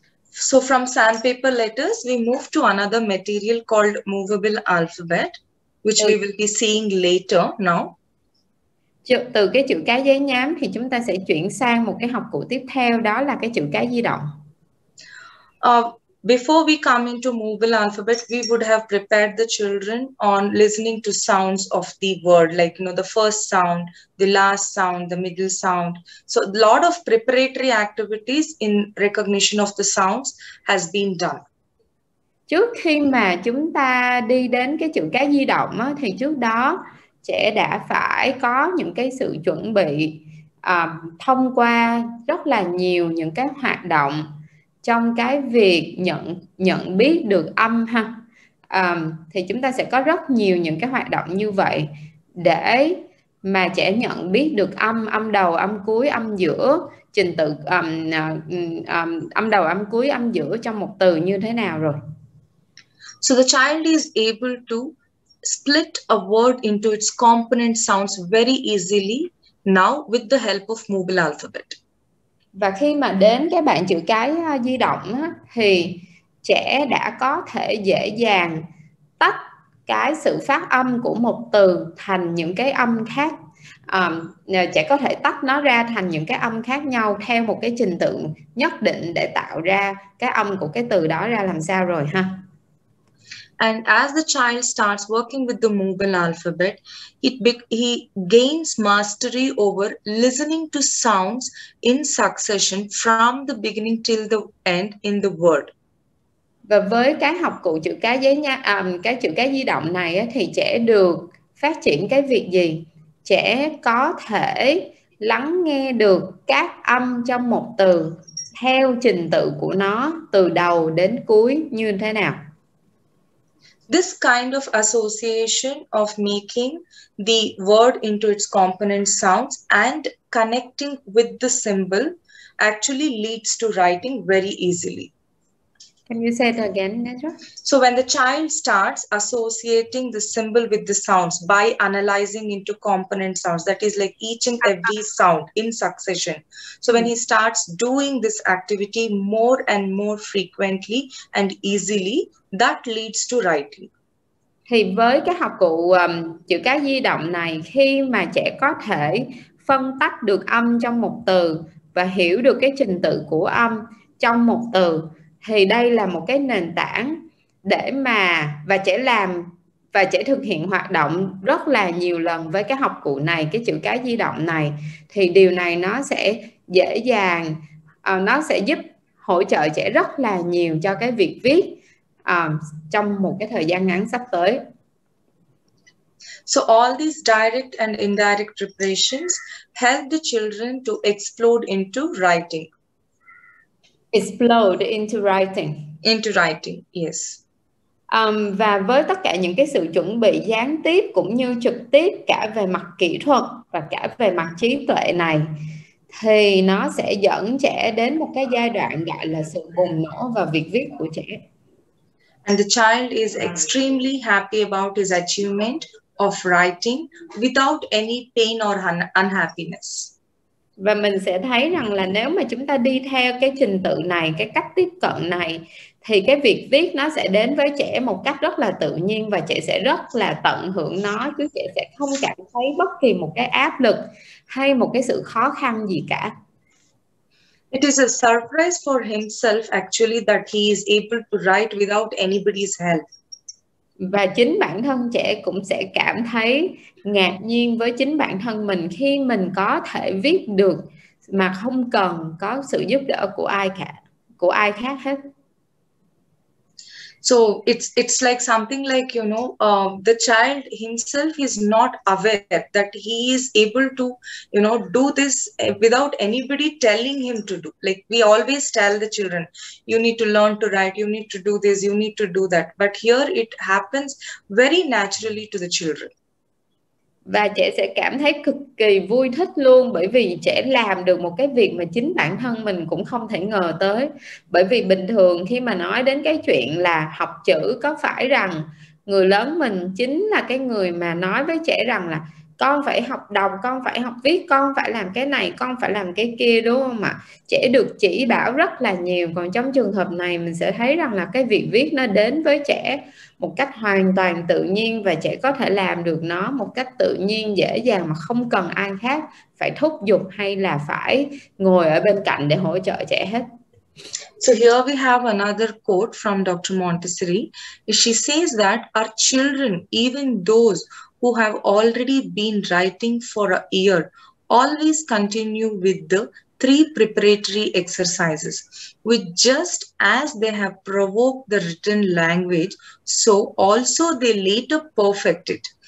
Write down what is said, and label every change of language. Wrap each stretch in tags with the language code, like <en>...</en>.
<en>So from sandpaper letters, we move to another material called movable alphabet, which we will be seeing later now.</en> <vi>Từ cái chữ cái giấy nhám thì chúng ta sẽ chuyển sang một cái học cụ tiếp theo, đó là cái chữ cái di động.</vi> <en>Before we come into movable alphabet, we would have prepared the children on listening to sounds of the word, like, you know, the first sound, the last sound, the middle sound. So a lot of preparatory activities in recognition of the sounds has been done.</en> <vi>Trước khi mà chúng ta đi đến cái chữ cái di động á, thì trước đó trẻ đã phải có những cái sự chuẩn bị thông qua rất là nhiều những cái hoạt động trong cái việc nhận biết được âm ha. Thì chúng ta sẽ có rất nhiều những cái hoạt động như vậy để mà trẻ nhận biết được âm, âm đầu, âm cuối, âm giữa, trình tự âm đầu, âm cuối, âm giữa trong một từ như thế nào rồi.</vi> <en>So the child is able to split a word into its component sounds very easily now with the help of movable alphabet.</en> <vi>Và khi mà đến cái bảng chữ cái di động á, thì trẻ đã có thể dễ dàng tách cái sự phát âm của một từ thành những cái âm khác. Trẻ có thể tách nó ra thành những cái âm khác nhau theo một cái trình tự nhất định để tạo ra cái âm của cái từ đó ra làm sao rồi ha.</vi> <en>And as the child starts working with the movable alphabet, he gains mastery over listening to sounds in succession from the beginning till the end in the word.</en> <vi>Và với cái học cụ chữ cái giấy nhá, cái chữ cái di động này á, thì trẻ được phát triển cái việc gì? Trẻ có thể lắng nghe được các âm trong một từ theo trình tự của nó từ đầu đến cuối như thế nào?</vi> <en>This kind of association of making the word into its component sounds and connecting with the symbol actually leads to writing very easily. Can you say it again, Nedra? So when the child starts associating the symbol with the sounds by analyzing into component sounds, that is like each and every sound in succession. So when he starts doing this activity more and more frequently and easily, that leads to writing.</en> <vi>Thì với cái học cụ chữ cái di động này, khi mà trẻ có thể phân tách được âm trong một từ và hiểu được cái trình tự của âm trong một từ, thì đây là một cái nền tảng để mà, và trẻ làm, và trẻ thực hiện hoạt động rất là nhiều lần với cái học cụ này, cái chữ cái di động này, thì điều này nó sẽ dễ dàng, nó sẽ giúp hỗ trợ trẻ rất là nhiều cho cái việc viết trong một cái thời gian ngắn sắp tới.</vi> <en>So all these direct and indirect preparations help the children to explode into writing. Explode into writing. Into writing, yes.</en> <vi>Và với tất cả những cái sự chuẩn bị gián tiếp cũng như trực tiếp cả về mặt kỹ thuật và cả về mặt trí tuệ này, thì nó sẽ dẫn trẻ đến một cái giai đoạn gọi là sự bùng nổ và việc viết của trẻ.</vi> <en>And the child is extremely happy about his achievement of writing without any pain or unhappiness.</en> <vi>Và mình sẽ thấy rằng là nếu mà chúng ta đi theo cái trình tự này, cái cách tiếp cận này, thì cái việc viết nó sẽ đến với trẻ một cách rất là tự nhiên và trẻ sẽ rất là tận hưởng nó, chứ trẻ sẽ không cảm thấy bất kỳ một cái áp lực hay một cái sự khó khăn gì cả.</vi> <en>It is a surprise for himself actually that he is able to write without anybody's help.</en> <vi>Và chính bản thân trẻ cũng sẽ cảm thấy ngạc nhiên với chính bản thân mình khi mình có thể viết được mà không cần có sự giúp đỡ của ai khác hết.</vi> <en>So it's like something like, you know, the child himself is not aware that he is able to, you know, do this without anybody telling him to do. Like we always tell the children, you need to learn to write, you need to do this, you need to do that. But here it happens very naturally to the children.</en> <vi>Và trẻ sẽ cảm thấy cực kỳ vui thích luôn, bởi vì trẻ làm được một cái việc mà chính bản thân mình cũng không thể ngờ tới. Bởi vì bình thường khi mà nói đến cái chuyện là học chữ, có phải rằng người lớn mình chính là cái người mà nói với trẻ rằng là con phải học đọc, con phải học viết, con phải làm cái này, con phải làm cái kia, đúng không ạ? Trẻ được chỉ bảo rất là nhiều. Còn trong trường hợp này mình sẽ thấy rằng là cái việc viết nó đến với trẻ một cách hoàn toàn tự nhiên và trẻ có thể làm được nó một cách tự nhiên, dễ dàng mà không cần ai khác phải thúc giục hay là phải ngồi ở bên cạnh để hỗ trợ trẻ hết.</vi> <en>So here we have another quote from Dr. Montessori. She says that our children, even those who have already been writing for a year, always continue with the three preparatory exercises, which just as they have provoked the written language, so also they later perfect it.</en>